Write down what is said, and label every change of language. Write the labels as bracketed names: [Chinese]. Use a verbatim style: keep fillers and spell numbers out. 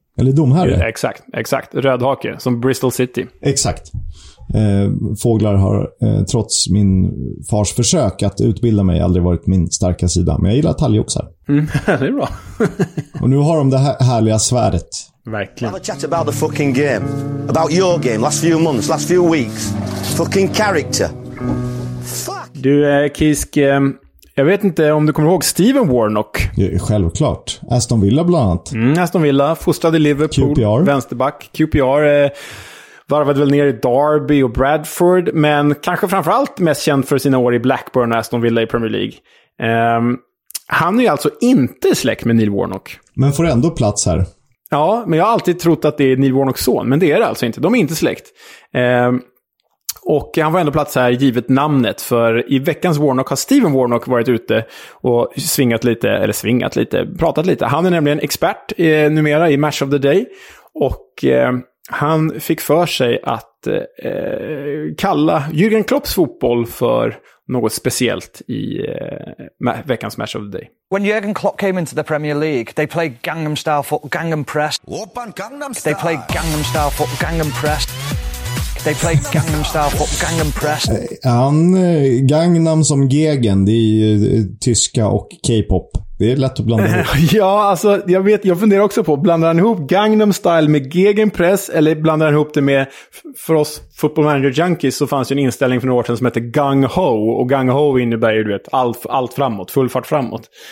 [Swedish] Eller domherre? Ja, exakt, exakt. Rödhake, som Bristol City. Exakt. Eh, fåglar har, eh, trots min fars försök att utbilda mig, aldrig varit min starka sida. Men jag gillar talgoxar. Mm, det är bra. Och nu har de det här härliga svärdet. Verkligen. [English] Have a chat about the fucking game. About your game, last few months, last few weeks. Fucking character. [Swedish] Fuck! Du, eh, Kisk, eh, Jag vet inte om du kommer ihåg Steven Warnock. Ja, självklart. Aston Villa bland annat. Mm, Aston Villa, fostrad i Liverpool, Q P R. Vänsterback, Q P R. Eh, varvade väl ner i Derby och Bradford, men kanske framförallt mest känd för sina år i Blackburn och Aston Villa i Premier League. Eh, han är ju alltså inte släkt med Neil Warnock. Men får ändå plats här. Ja, men jag har alltid trott att det är Neil Warnocks son, men det är det alltså inte. De är inte släkt. Eh, Och han var ändå plats här givet namnet, för i veckans Warnock har Steven Warnock varit ute och svingat lite, eller svingat lite, pratat lite. Han är nämligen expert eh, numera i Match of the Day, och eh, han fick för sig att eh, kalla Jürgen Klopps fotboll för något speciellt i eh, veckans Match of the Day. [English] When Jürgen Klopp came into the Premier League, they played Gangnam Style football, Gangnam Press. They played Gangnam Style football, Gangnam Press. They play Gangnam Style, Gangnam Press. [Swedish] Han, Gangnam som Gegen, det är ju tyska och K-pop. Det är lätt att blanda ihop. Ja, alltså jag vet, jag funderar också på, blandar han ihop Gangnam Style med Gegenpress, eller blandar han ihop det med, för oss Football Manager Junkies så fanns ju en inställning för några år sedan som hette Gung Ho, och Gung Ho innebär ju, du vet, allt, allt framåt, full fart framåt.